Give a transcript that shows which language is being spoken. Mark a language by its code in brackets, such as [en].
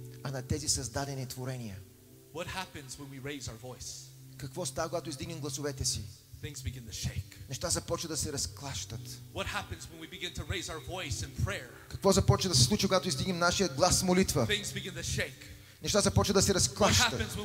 [bg] А на тези създадени творения. [en] What happens when we raise our voice? [bg] Какво става, когато издигнем гласовете си? [en] Things begin to shake. [bg] Неща започват да се разклащат. [en] What happens when we begin to raise our voice in prayer? [bg] Какво започва да се случи, когато издигнем нашия глас в молитва? [en] Things begin to shake. [bg] Неща започват да се разклащат.